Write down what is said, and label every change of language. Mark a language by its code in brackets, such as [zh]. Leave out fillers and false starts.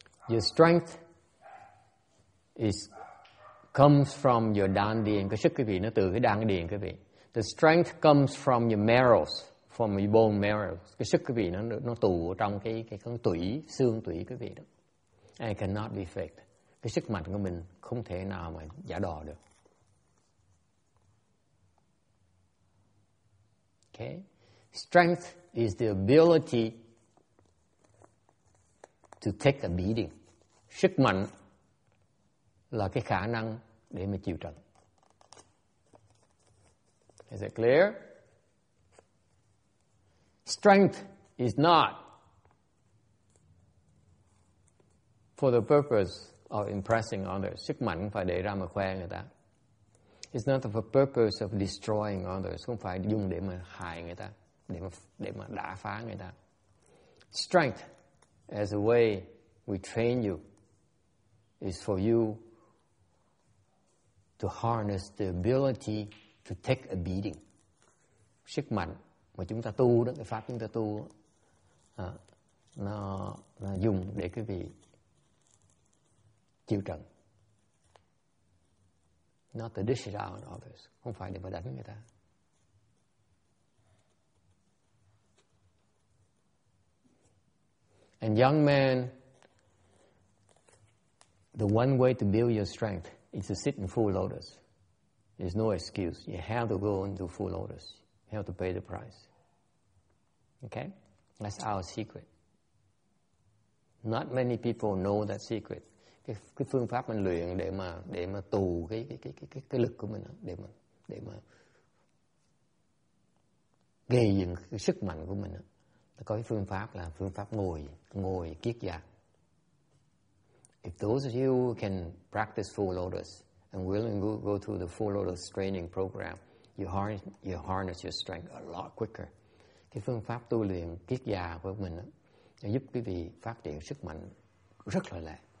[en] Your strength comes from your dan điền, [vi] cái sức quý vị nó từ cái dan điền quý vị. [en] The strength comes from your marrows, from your bone marrows. [vi] Cái sức quý vị nó tù ở trong cái tủy, xương tủy quý vị đó. [en] I cannot be faked. [vi] Cái sức mạnh của mình không thể nào mà giả đò được. [en] Okay. Strength is the ability to take a beating. [vi] Sức mạnh là cái khả năng để mà chịu trận. [en] Is it clear? Strength is not for the purpose of impressing others. [vi] Sức mạnh phải để ra mà khoe người ta. [en] It's not for the purpose of destroying others. [vi] Không phải dùng để mà hại người ta, để mà đả phá người ta. [en] Strength, as a way we train you, is for you to harness the ability to take a beating. [vi] Sức mạnh mà chúng ta tu đó, cái pháp chúng ta tu, nó dùng để cái vị chịu trận. [en] Not to dish it out on others. [vi] Không phải để mà đánh người ta. [en] And young man, the one way to build your strength is to sit in full lotus. There's no excuse. You have to go into full lotus. You have to pay the price. Okay? That's our secret. Not many people know that secret. [vi] Cái phương pháp mình luyện để mà tù cái lực của mình đó, để mà gây dựng cái sức mạnh của mình đó. Có cái phương pháp là phương pháp ngồi kiết già. [en] If those of you can practice full lotus and willing to go through the full lotus training program, you harness your strength a lot quicker. [vi] Cái phương pháp tu luyện kiết già của mình đó, giúp quý vị phát triển sức mạnh rất là lẹ.